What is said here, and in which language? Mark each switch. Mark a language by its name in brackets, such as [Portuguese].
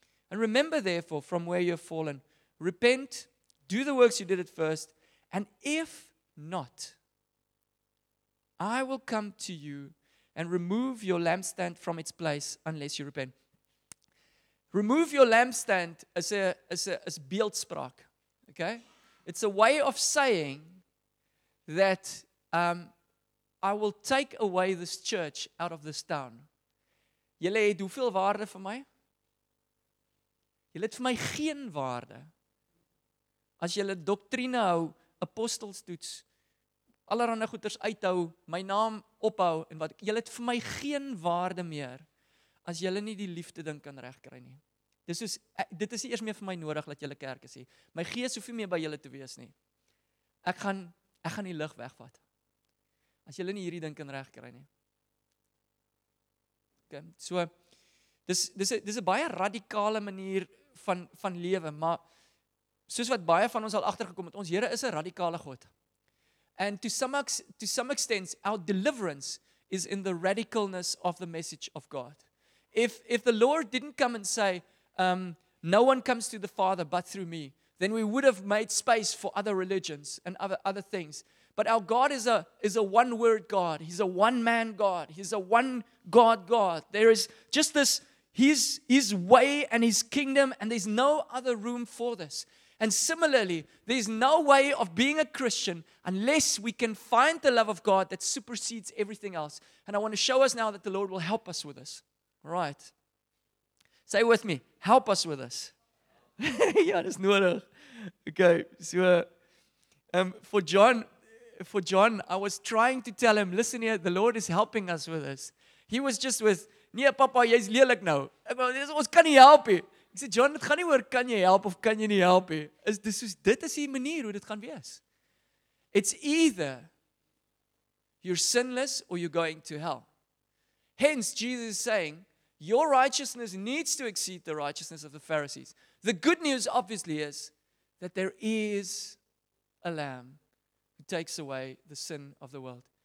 [English] And remember, therefore, from where you've fallen. Repent, do the works you did at first, and if not, I will come to you and remove your lampstand from its place unless you repent. Remove your lampstand as beeldspraak. Okay? It's a way of saying that I will take away this church out of this town. [Afrikaans] Julle het hoeveel waarde vir my? Julle het vir my geen waarde. As julle doktrine hou, apostels toets, allerhande goeders uithou, my naam ophou, en wat, julle het vir my geen waarde meer, as julle nie die liefde ding kan regkry nie. Dit is nie eers meer vir my nodig, dat julle kerk is nie. My gees hoef nie meer by julle te wees nie. Ek gaan die lig wegvat, as julle nie hierdie ding kan regkry nie. Okay, so, Dis 'n baie radikale manier van lewe, maar soos wat baie van ons al agtergekom het, ons Here is 'n radikale God. [English] And to some extent, our deliverance is in the radicalness of the message of God. If the Lord didn't come and say, no one comes to the Father but through me, then we would have made space for other religions and other things. But our God is a one-word God. He's a one-man God. He's a one-God God. There is just this, his way and his kingdom, and there's no other room for this. And similarly, there's no way of being a Christian unless we can find the love of God that supersedes everything else. And I want to show us now that the Lord will help us with this. All right. Say with me, help us with this. [Afrikaans] Ja, dis nodig. [English] Okay, so for John, I was trying to tell him, listen here, the Lord is helping us with this. He was just with, [Afrikaans] nee papa, jy's lelik nou. Ons kan nie help nie. Ek sê, John, dit gaan nie oor kan jy help of kan jy nie help nie. Dit is die manier hoe dit gaan wees. [English] It's either you're sinless or you're going to hell. Hence, Jesus is saying, your righteousness needs to exceed the righteousness of the Pharisees. The good news, obviously, is that there is a lamb who takes away the sin of the world.